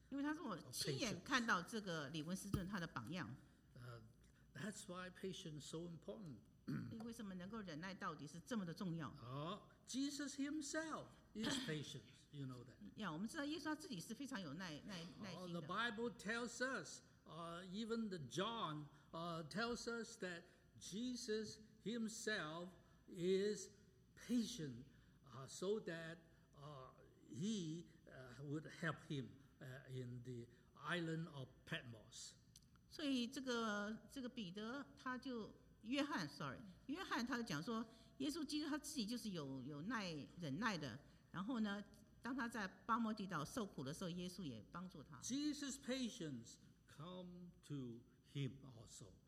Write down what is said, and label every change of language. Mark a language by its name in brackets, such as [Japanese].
[Chinese] 因为他说我亲眼看到这个李文斯顿他的榜样。 [English] That's why patience is so important. [Chinese] 为什么能够忍耐到底是这么的重要？ [English] Jesus himself is patient. You know that. [Chinese] 我们知道耶稣他自己是非常有耐心的。 [English] The Bible tells us, even the John, tells us that Jesus himself. Is patient so that he would help him in the island of Patmos. [Chinese] 所以这个彼得他就约翰他就讲说，耶稣基督他自己就是有忍耐的。然后呢，当他在巴摩地岛受苦的时候，耶稣也帮助他。 [English] Jesus' patience come to him also.